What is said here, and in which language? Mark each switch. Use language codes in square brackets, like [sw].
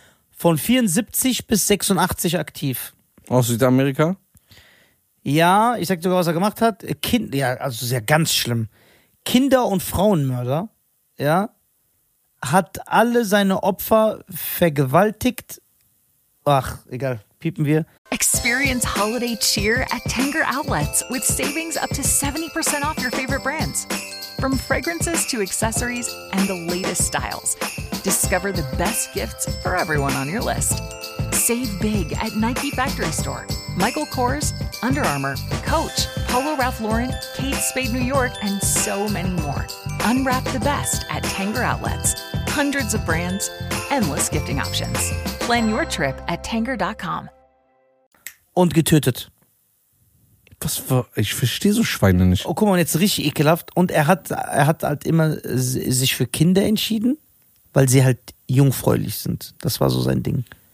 [de] Von 74 bis 86 aktiv. Aus Südamerika? Ja, ich sag sogar, was er gemacht hat. Sehr ganz schlimm. Kinder- und Frauenmörder, ja, hat alle seine Opfer vergewaltigt. Ach, egal, piepen wir. [en] Experience holiday cheer at Tanger Outlets with savings up to 70% off your favorite brands. From fragrances to accessories and the latest styles. Discover the best gifts for everyone on your list. Save big at Nike Factory Store, Michael Kors, Under Armour, Coach, Polo Ralph Lauren, Kate Spade New York, and so many more. Unwrap the best at Tanger Outlets. Hundreds of brands, endless gifting options. Plan your trip at tanger.com. [de] Und getötet. Was war, ich verstehe so Schweine nicht. Oh, guck mal, jetzt richtig ekelhaft. Und er hat halt immer sich für Kinder entschieden, weil sie halt jungfräulich sind. Das war so sein Ding.